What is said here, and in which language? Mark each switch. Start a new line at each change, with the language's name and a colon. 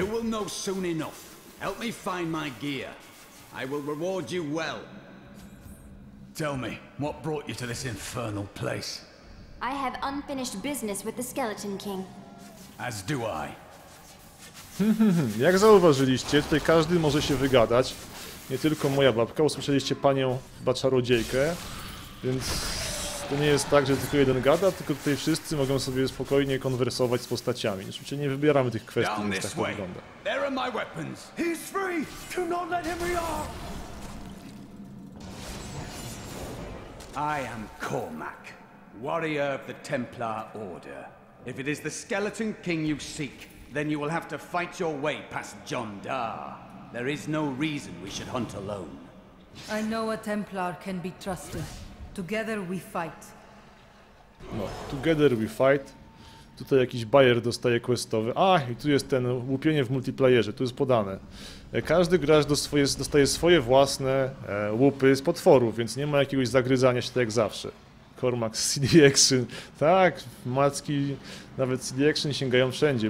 English: You will know soon enough. Help me find my gear. I will reward you well. Tell me, what brought you to this infernal place? I have unfinished business with the Skeleton King. As do I.
Polish: Jak zauważyliście, tutaj każdy może się wygadać. Nie tylko moja babka, usłyszeliście panią chyba czarodziejkę, więc to nie jest tak, że tylko jeden gada, tylko tutaj wszyscy mogą sobie spokojnie konwersować z postaciami. Oczywiście nie wybieramy tych kwestii, więc tak to wygląda.
English: There are my weapons. He's free! Do not let him rear! I am Cormac, warrior of the Templar Order. If it is the Skeleton King you seek, then you will have to fight your way past Jondar. There is no reason we should hunt alone. I know a Templar can be trusted. Together we fight. No, together we fight.
Polish: Tutaj jakiś bajer dostaje questowy. A, i tu jest ten łupienie w multiplayerze, tu jest podane. Każdy gracz dostaje swoje własne łupy z potworów, więc nie ma jakiegoś zagryzania się tak jak zawsze. Cormac, CD Action. Tak, macki, nawet CD Action sięgają wszędzie.